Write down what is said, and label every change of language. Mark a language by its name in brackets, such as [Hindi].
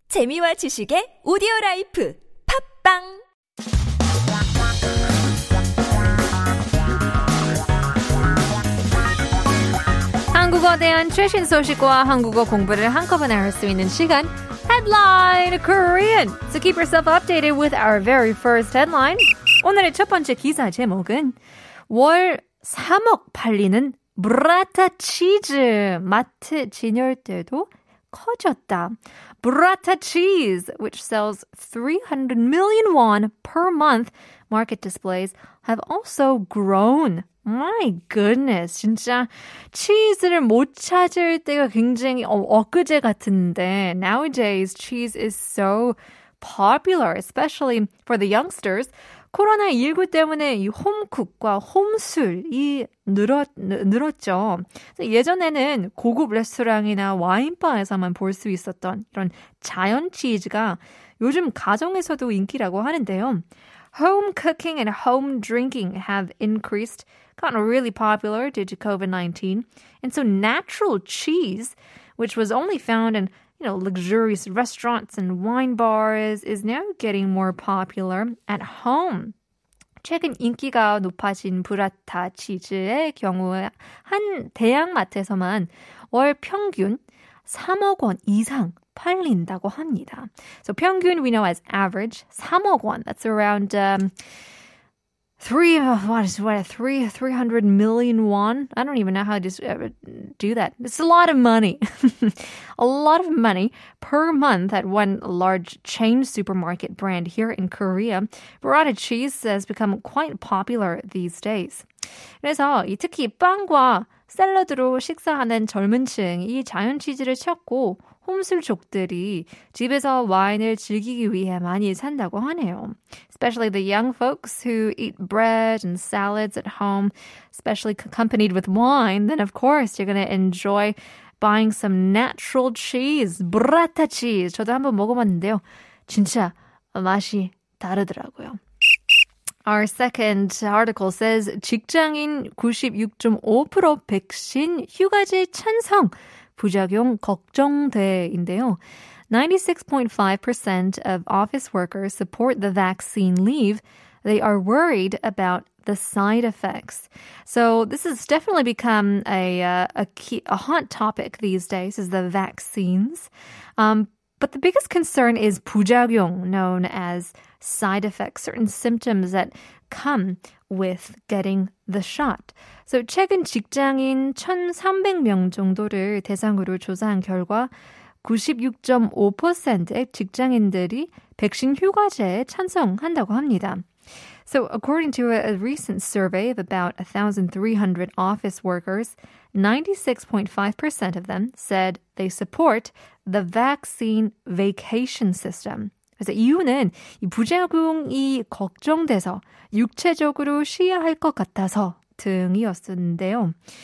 [Korean] 재미와 지식의 오디오 라이프. 팟빵! 한국어에 대한 최신 소식과 한국어 공부를 한꺼번에 할 수 있는 시간. [English] Headline Korean! So keep yourself updated with our very first headline. [Korean] 오늘의 첫 번째 기사 제목은 월 3억 팔리는 브라타 치즈 마트 진열대도 커졌다. [English] Burrata cheese, which sells 300 million won per month, market displays have also grown. My goodness, [Korean] 진짜 치즈를 못 찾을 때가 굉장히 엊그제 같은데 [English] nowadays cheese is so popular, especially for the youngsters. [Korean] 코로나19 때문에 이 홈쿡과 홈술이 늘었죠. 예전에는 고급 레스토랑이나 와인바에서만 볼 수 있었던 이런 자연 치즈가 요즘 가정에서도 인기라고 하는데요. [English] Home cooking and home drinking have increased, gotten really popular due to COVID-19. And so natural cheese, which was only found in you know, luxurious restaurants and wine bars is now getting more popular at home. [Korean] 최근 인기가 높아진 브라타 치즈의 경우 한 대형마트에서만 월 평균 3억 원 이상 팔린다고 합니다. [English] So 평균 we know as average 3억 원. That's around 300 million won. I don't even know how to do that. It's a lot of money. a lot of money per month at one large chain supermarket brand here in Korea. Burrata cheese has become quite popular these days. [Korean] 그래서 특히 빵과 샐러드로 식사하는 젊은층이 자연 치즈를 찾고 홈술족들이 집에서 와인을 즐기기 위해 많이 산다고 하네요. [English] Especially the young folks who eat bread and salads at home, especially accompanied with wine, then of course you're going to enjoy buying some natural cheese, burrata cheese. [Korean] 저도 한번 먹어봤는데요. 진짜 맛이 다르더라고요. [English] Our second article says [Korean] 직장인 96.5% 백신 휴가제 찬성. 부작용 걱정돼인데요. [English] 96.5% of office workers support the vaccine leave. They are worried about the side effects. So this has definitely become a hot topic these days is the vaccines. But the biggest concern is 부작용, known as side effects, certain symptoms that come with getting the shot. [Korean] So 최근 직장인 1,300명 정도를 대상으로 조사한 결과 96.5%의 직장인들이 백신 휴가제에 찬성한다고 합니다. [English] So according to a recent survey of about 1,300 office workers, 96.5% of them said they support the vaccine vacation system. [Korean] 그래서 이유는 부작용이 걱정돼서 육체적으로 쉬어야 할 것 같아서 등이었는데요.